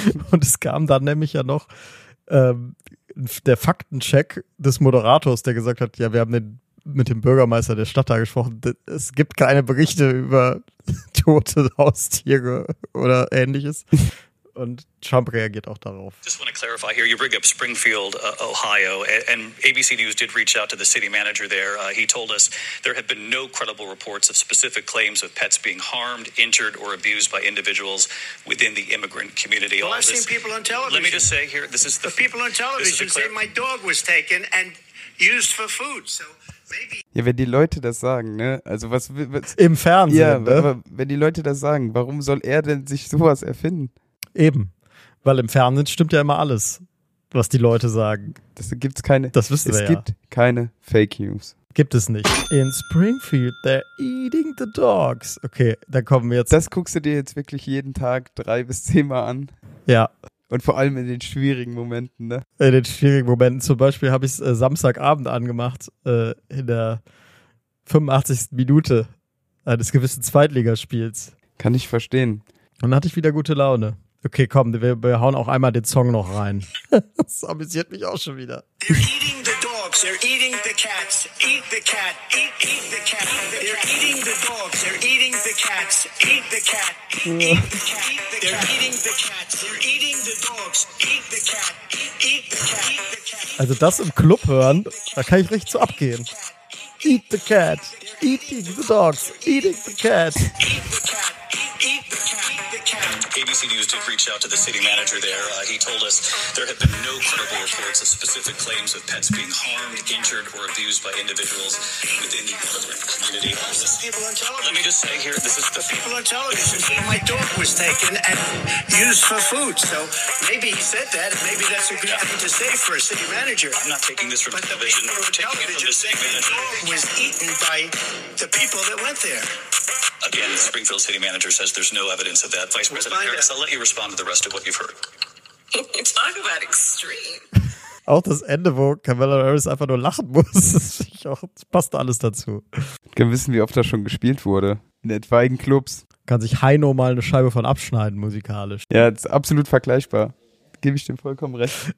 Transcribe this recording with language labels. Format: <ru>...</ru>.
<de>Und es kam dann nämlich ja noch der Faktencheck des Moderators, der gesagt hat, ja, wir haben mit dem Bürgermeister der Stadt da gesprochen, es gibt keine Berichte über tote Haustiere oder Ähnliches. Und Trump reagiert auch darauf.</de> <en>Just want to clarify here, you bring up Springfield, Ohio, and ABC News did reach out to the city manager there. He told us there have been no credible reports of specific claims of pets being harmed, injured, or abused by individuals within the immigrant community. Well, I've seen people on television. Let me just say here, this is the people on television say my dog was taken and used for food, so maybe.</en> <de>Ja, wenn die Leute das sagen, ne? Also was im Fernsehen, ja, ne? Aber wenn die Leute das sagen, warum soll er denn sich sowas erfinden? Eben, weil im Fernsehen stimmt ja immer alles, was die Leute sagen. Das gibt's keine. Das wissen wir ja. Es gibt keine Fake News. Gibt es nicht.</de> <en>In Springfield, they're eating the dogs.</en> <de>Okay, dann kommen wir jetzt. Das guckst du dir jetzt wirklich jeden Tag 3 bis 10 Mal an. Ja. Und vor allem in den schwierigen Momenten, ne? In den schwierigen Momenten. Zum Beispiel habe ich es Samstagabend angemacht, in der 85. Minute eines gewissen Zweitligaspiels. Kann ich verstehen. Und dann hatte ich wieder gute Laune. Okay, komm, wir hauen auch einmal den Song noch rein. Das amüsiert mich auch schon wieder.</de> <en>They're eating the cats, eat the cat, eat the cat. They're eating the dogs, they're eating the cats, eat the cat, eat the cat. They're eating the cats, they're eating the dogs, eat the cat, eat the cat, eat the cat.</en> <de>Also das im Club hören, da kann ich richtig zu abgehen.</de> <en>Eat the cat, eating the dogs, eating the cat. ABC News did reach out to the city manager there. He told us there have been no credible reports of specific claims of pets being harmed, injured, or abused by individuals within the community. Let me just say here, this is the people on television saying my dog was taken and used for food. So maybe he said that, and maybe that's a good thing to say for a city manager. I'm not taking this from television. I'm taking it from the city manager. The dog was eaten by the people that went there. Again, the Springfield city manager says there's no evidence of that. Vice President Harris, I'll let you respond to the rest of what you've heard. Talk about extreme.</en> <de>Auch das Ende, wo Kamala Harris einfach nur lachen muss, das passt alles dazu. Wir wissen, wie oft das schon gespielt wurde. In etwaigen Clubs. Kann sich Heino mal eine Scheibe von abschneiden, musikalisch. Ja, das ist absolut vergleichbar. Gebe ich dem vollkommen recht.</de>